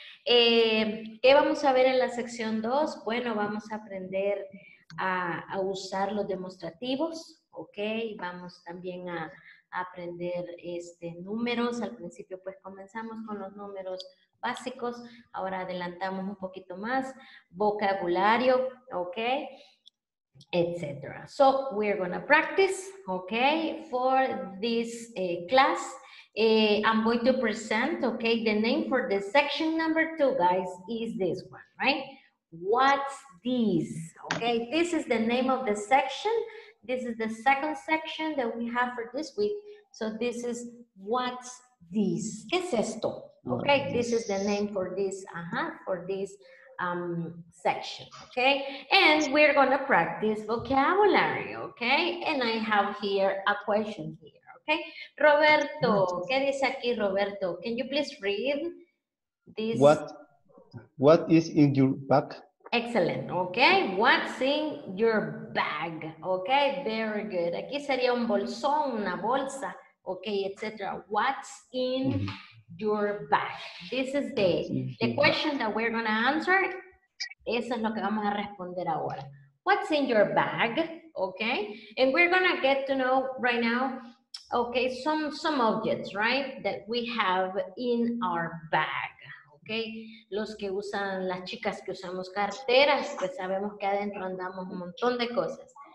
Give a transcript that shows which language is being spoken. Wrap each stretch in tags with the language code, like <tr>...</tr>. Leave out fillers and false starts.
<es>¿Qué vamos a ver en la sección 2? Bueno, vamos a aprender a usar los demostrativos, okay? Vamos también a aprender números. Al principio pues comenzamos con los números básicos, ahora adelantamos un poquito más, vocabulario, okay, etc.</es> <en>So we're gonna practice, okay, for this class. I'm going to present, okay, the name for the section number two, guys, is this one, right? What's this? Okay, this is the name of the section. This is the second section that we have for this week. So this is what's this?</en> <es>¿Qué es esto?</es> <en>Okay, this is the name for this, for this section, okay? And we're gonna practice vocabulary, okay? And I have here a question here, okay? Roberto,</en> <es>¿qué dice aquí, Roberto?</es> <en>Can you please read this? What is in your bag? Excellent, okay? What's in your bag? Okay, very good.</en> <es>Aquí sería un bolsón, una bolsa.</es> <en>Okay, etc. What's in your bag? This is the question that we're going to answer.</en> <es>Eso es lo que vamos a responder ahora.</es> <en>What's in your bag? Okay, and we're going to get to know right now, okay, some objects, right, that we have in our bag.</en> <es>Okay, los que usan, las chicas que usamos carteras, pues sabemos que adentro andamos un montón de cosas.</es>